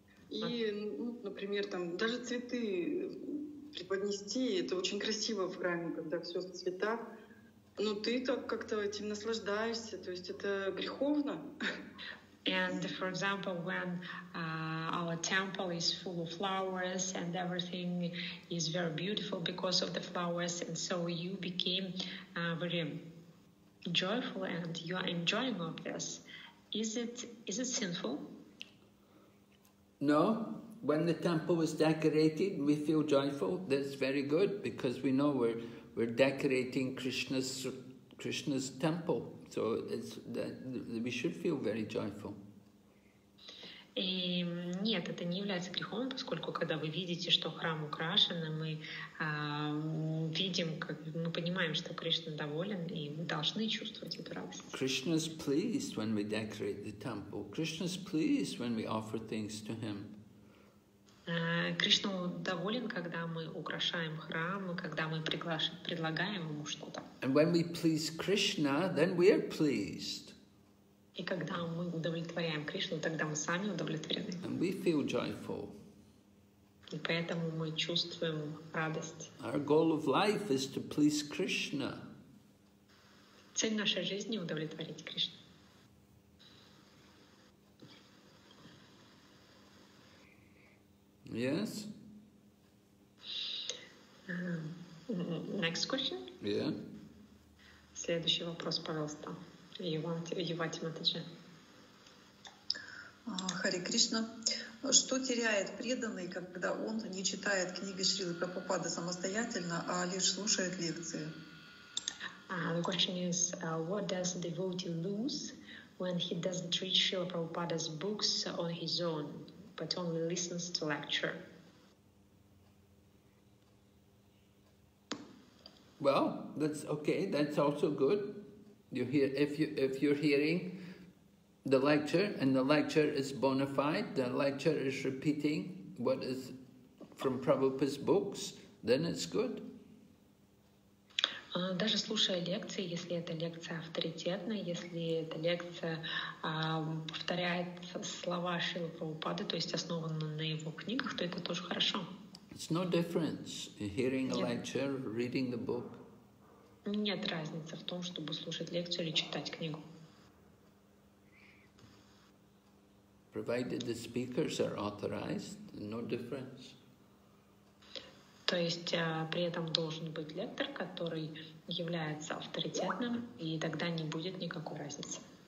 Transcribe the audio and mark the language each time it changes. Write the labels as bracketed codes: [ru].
[ru] И, например, там даже цветы преподнести, это очень красиво в храме, когда все в цветах. Ну ты так как-то этим наслаждаешься, то есть это греховно. [en] And for example, when our temple is full of flowers and everything is very beautiful because of the flowers, and so you became very joyful and you are enjoying of this, is it sinful? No. When the temple is decorated, we feel joyful. That's very good because we know we're decorating Krishna's temple, so it's that we should feel very joyful. [ru] И нет, это не является грехом, поскольку когда вы видите, что храм украшен, и мы видим, как мы понимаем, что Кришна доволен, и мы должны чувствовать эту радость. [en] Krishna's pleased when we decorate the temple. Krishna's pleased when we offer things to him. [ru] Кришна доволен, когда мы украшаем храм, когда мы предлагаем ему что-то. [en] And when we please Krishna, then we are pleased. [ru] И когда мы удовлетворяем Кришну, тогда мы сами удовлетворены. [en] And we feel joyful. [ru] И поэтому мы чувствуем радость. [en] Our goal of life is to please Krishna. [ru] Цель нашей жизни — удовлетворить Кришну. [en] Yes. Next question. Yeah. [ru] Следующий вопрос, пожалуйста. Ювати Матаджи. Харе Кришна. Что теряет преданный, когда он не читает книги Шрилы Прабхупады самостоятельно, а лишь слушает лекции? [en] The question is, what does the devotee lose when he doesn't read Srila Prabhupada's books on his own, but only listens to lecture? Well, that's okay, that's also good. You hear, if you're hearing the lecture and the lecture is bona fide, the lecture is repeating what is from Prabhupada's books, then it's good. [ru] Даже слушая лекции, если эта лекция авторитетная, если эта лекция повторяет слова Шрилы Прабхупады, то есть основана на его книгах, то это тоже хорошо. [en] It's no difference hearing a lecture, reading the book. [ru] Нет разницы в том, чтобы слушать лекцию или читать книгу. [en] Provided the speakers are authorized, no difference. [ru] То есть при этом должен быть лектор, который является авторитетным, и тогда не будет никакой разницы.